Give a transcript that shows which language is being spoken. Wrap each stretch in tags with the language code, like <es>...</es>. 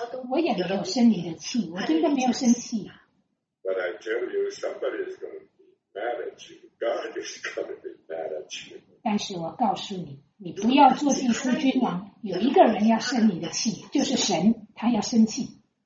<zh>我也没有生你的气，我真的没有生气。</zh> <en>But I tell you, somebody is going to be mad at you. God is going to be mad at you.</en> <zh>但是我告诉你，你不要做祭司君王，有一个人要生你的气，就是神，他要生气。</zh>